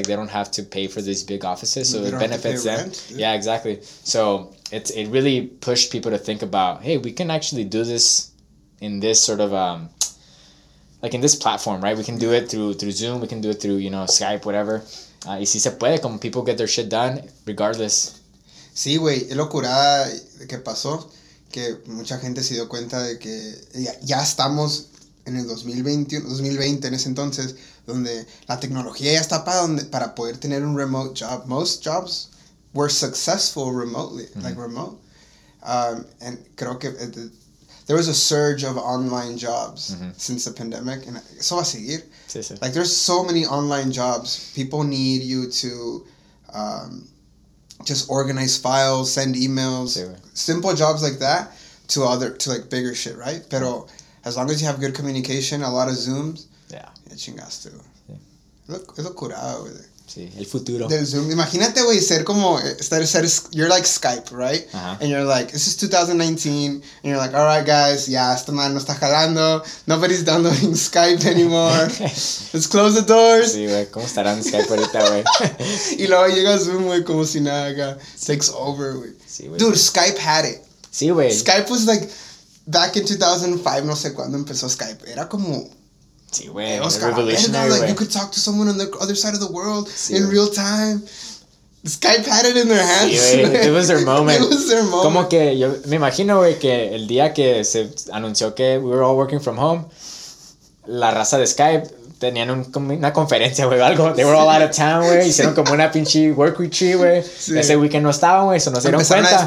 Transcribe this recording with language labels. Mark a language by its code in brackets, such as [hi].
[en] Like, they don't have to pay for these big offices, so it benefits them. Rent, yeah, exactly. So it really pushed people to think about, hey, we can actually do this in this sort of like in this platform, right? We can do it through Zoom. We can do it through, you know, Skype, whatever. [es] Y si se puede, como [en] people get their shit done, regardless. [es] Sí, güey. Es locurada que pasó, que mucha gente se dio cuenta de que ya estamos en el 2020, en ese entonces, donde la tecnología ya está para poder tener un [en] remote job. Most jobs were successful remotely, like remote. And [es] creo que [en] there was a surge of online jobs since the pandemic, and [es] eso va a seguir. Sí. [en] Like, there's so many online jobs. People need you to just organize files, send emails, simple jobs like that to like bigger shit, right? [es] Pero [en] as long as you have good communication, a lot of Zooms. Yeah. [es] Chingas tú. Es locurado, güey. Sí, el futuro. Del Zoom. Imagínate, güey, ser como, [en] you're like Skype, right? Uh-huh. And you're like, this is 2019, and you're like, all right, guys, yeah, [es] esta madre no está jalando, [en] nobody's downloading Skype anymore, let's close the doors. [es] Sí, güey, ¿cómo estarán Skype ahorita, güey? Y luego llega Zoom, güey, como si nada, güey, [en] takes over, [es] güey. Sí, güey. [en] Dude, Skype had it. [es] Sí, güey. [en] Skype was like, back in 2005, [es] no sé cuándo empezó Skype, era como, sí, güey, revolutionary, [en] like, you could talk to someone on the other side of the world in real time. Skype had it in their hands. [es] Sí, wey. [en] It was their moment. It was their moment. [es] Como que yo me imagino, güey, que el día que se anunció que [en] we were all working from home, [es] la raza de Skype tenían una conferencia, güey, algo. [en] They were all out of town, güey. [es] Hicieron como una pinche [en] work retreat, güey. [es] Sí. Ese weekend no estaban, güey, eso no se dieron cuenta.